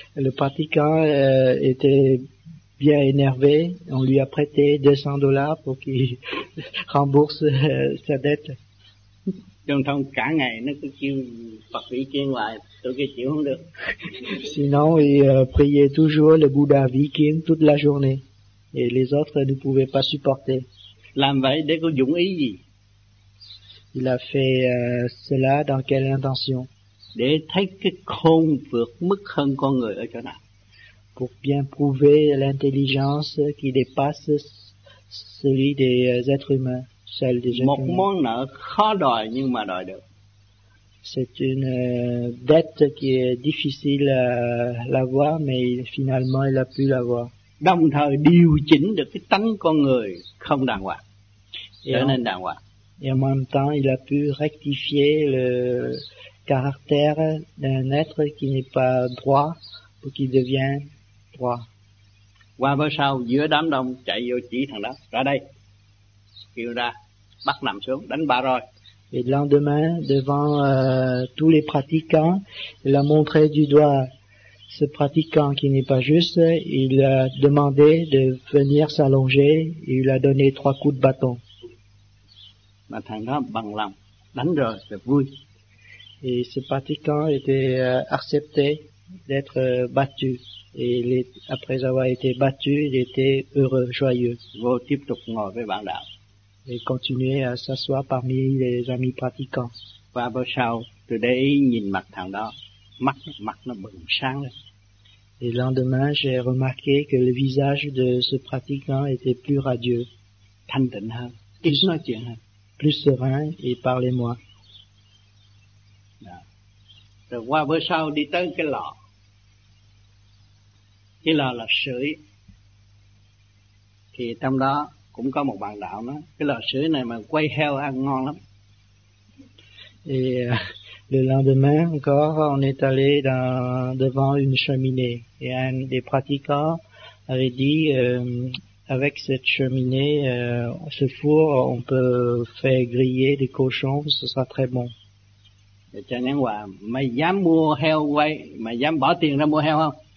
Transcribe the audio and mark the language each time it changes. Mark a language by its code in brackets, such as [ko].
[fr] Le pratiquant était bien énervé. On lui a prêté 200 dollars pour qu'il rembourse sa dette. [vi] Trong thông cả ngày nó cứ kêu Phật Vị Kiên hoài, tôi kêu chịu không được. [fr] Sinon, il priait toujours le Bouddha Vị Kiên toute la journée. Et les autres ne pouvaient pas supporter. [vi] Làm vậy để có dụng ý gì? [fr] Il a fait cela dans quelle intention? [vi] Để thấy cái khôn vượt mức hơn con người ở chỗ nào? [fr] Pour bien prouver l'intelligence qui dépasse celui des êtres humains. [vi] Một món nợ khó đòi nhưng mà đòi được. [fr] C'est une dette qui est difficile à l'avoir, mais finalement il a pu l'avoir. [vi] Đồng thời điều chỉnh được cái tánh con người không đàng hoàng, trở nên đàng hoàng. [fr] Et en même temps, il a pu rectifier le caractère d'un être qui n'est pas droit pour qu'il devienne droit. [vi] Qua bữa sau giữa đám đông chạy vô chỉ thằng đó ra đây. Kêu ra, bắt nằm xuống, đánh ba rồi. [fr] Et le lendemain, devant tous les pratiquants, il a montré du doigt ce pratiquant qui n'est pas juste. Il a demandé de venir s'allonger et il a donné 3 coups de bâton. [vi] Mà thằng đó bằng lòng, đánh rồi, [fr] c'est [vi] vui. [fr] Et ce pratiquant était accepté d'être battu. Et après avoir été battu, il était heureux, joyeux. [vi] Vô tiếp tục ngồi với bạn đạo. [fr] Et continuer à s'asseoir parmi les amis pratiquants. [vi] Qua bữa sau, tôi để ý nhìn mặt thằng đó, mắt nó bừng sáng lên. [fr] Et le lendemain, j'ai remarqué que le visage de ce pratiquant était plus radieux. [vi] Thanh tịnh hơn, ít nói chuyện hơn. [fr] plus serein et parlez-moi. [vi] Rồi qua bữa sau đi tới cái lò. Cái lò là sưởi. Thì trong đó cũng có một bạn đạo nói, cái lò sưởi này mà quay heo ăn ngon lắm. [fr] Et le lendemain encore, on est allé dans, devant une cheminée. Et un des pratiquants avait dit, avec cette cheminée, ce four, on peut faire griller des cochons, ce sera très bon. Et [vi] Cha Nhang Hòa, mày dám mua heo quay, mày dám bỏ tiền ra mua heo không?